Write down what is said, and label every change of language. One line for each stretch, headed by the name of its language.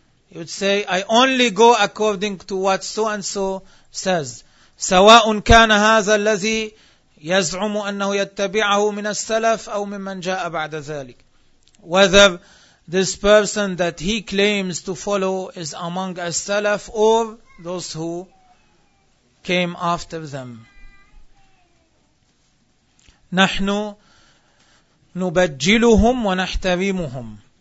English: You would say I only go according to what so and so says.
Arabic: سواء كان هذا الذي يزعم أنه يتبعه من السلف أو ممن جاء بعد ذلك.
English: Whether this person that he claims to follow is among as-salaf or those who came after them.
Arabic: نحن نبجلهم ونحترمهم.